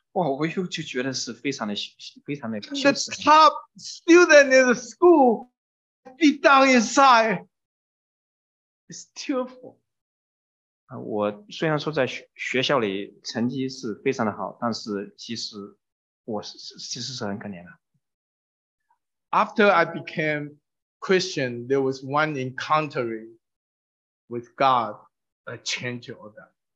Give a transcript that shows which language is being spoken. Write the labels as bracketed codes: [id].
[zh] 我就觉得是非常的羞耻。 [en] The top student in the school, deep down inside, is tearful. [zh] 我虽然说在学校里成绩是非常的好，但是其实。 [en] After I became Christian, there was one encounter with God that changed all that.